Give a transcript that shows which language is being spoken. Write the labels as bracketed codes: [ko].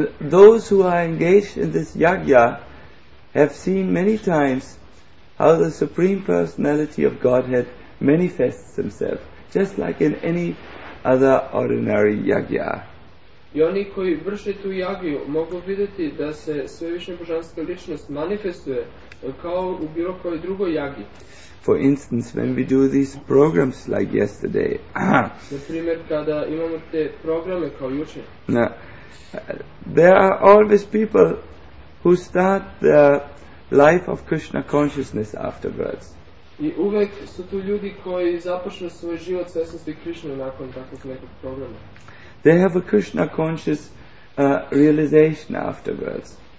[en] Those who are engaged in this yagya have seen many times how the Supreme Personality of Godhead manifests himself, just like in any other ordinary yagya. [sr] I oni koji vrše tu jagiju mogu videti da se svevišnja božanska ličnost manifestuje kao u bilo kojoj drugoj jagi. [en] For instance, when we do these programs like yesterday, [sr] na primjer kada imamo te programe kao juče, [en] there are always people who start the life of Krishna consciousness afterwards. [sr] I uvek su tu ljudi koji započnu svoj život svesnosti Krišne nakon takvog nekog programa. [en] They have a Krishna conscious realization afterwards.